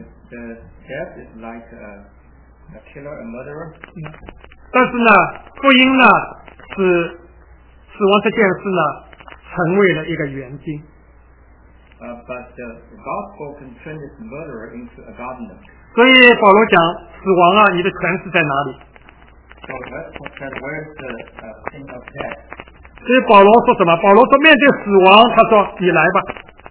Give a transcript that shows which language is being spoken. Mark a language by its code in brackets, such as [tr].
[en] The death is like a killer, a murderer. [zh] 但是呢福音呢是死亡这件事呢成为了一个园丁。 [en] But the gospel can turn this murderer into a gardener. [zh] 所以保罗讲死亡啊你的权势在哪里。 [en] So that's where is the king of death? [zh] 所以保罗说什么？保罗说面对死亡，他说：“你来吧。”